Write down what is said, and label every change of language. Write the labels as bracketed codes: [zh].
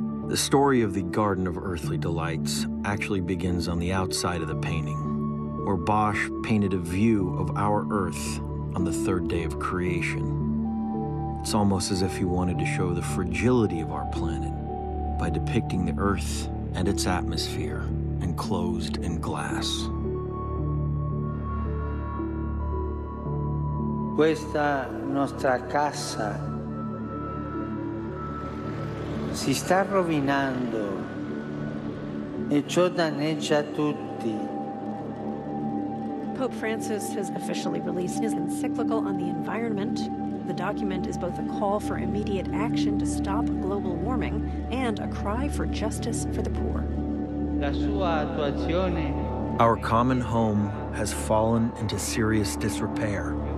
[en] The story of the Garden of Earthly Delights actually begins on the outside of the painting, where Bosch painted a view of our Earth on the third day of creation. It's almost as if he wanted to show the fragility of our planet by depicting the Earth and its atmosphere enclosed in glass. [it] Questa nostra casa si sta rovinando e ciò danneggia tutti. [en] Pope Francis has officially released his encyclical on the environment. The document is both a call for immediate action to stop global warming and a cry for justice for the poor. [it] La sua attuazione. [en] Our common home has fallen into serious disrepair.